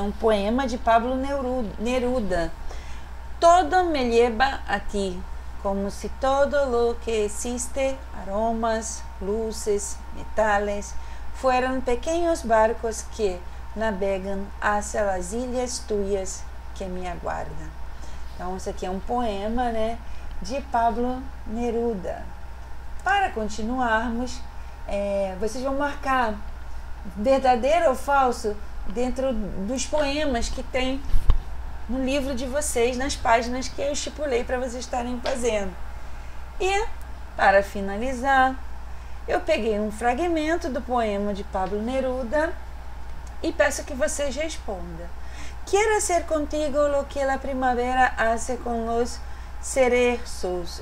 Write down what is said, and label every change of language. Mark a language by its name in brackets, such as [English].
[Portuguese] Um poema de Pablo Neruda. [Spanish] Todo me lleva a ti. Como se todo lo que existe, aromas, luces, metales, fueran pequeños barcos que navegan hacia las islas tuyas que me aguardan. [Portuguese] Então, isso aqui é um poema, né, de Pablo Neruda. Para continuarmos, vocês vão marcar verdadeiro ou falso dentro dos poemas que tem no livro de vocês, nas páginas que eu estipulei para vocês estarem fazendo. E, para finalizar, eu peguei um fragmento do poema de Pablo Neruda e peço que vocês respondam. [Spanish] Quiero hacer contigo lo que la primavera hace con los cerezos.